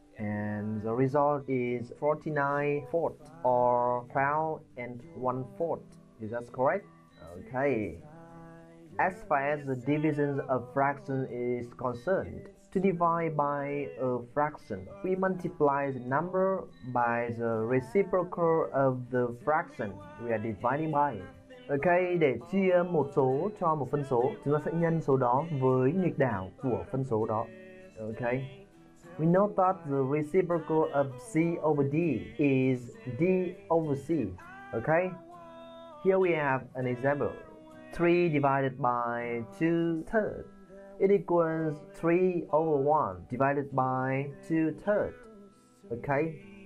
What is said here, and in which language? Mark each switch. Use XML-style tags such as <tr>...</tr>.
<en>And the result is 49/4 or 12 1/4. Is that correct? Okay. As far as the division of fraction is concerned, to divide by a fraction, we multiply the number by the reciprocal of the fraction we are dividing by.</en> <vi>Okay, để chia một số cho một phân số, chúng ta sẽ nhân số đó với nghịch đảo của phân số đó.</vi> <en>Okay. We know that the reciprocal of C over D is D over C. Okay? Here we have an example. 3 2/3. It equals 3/1 divided by 2/3. Okay?</en>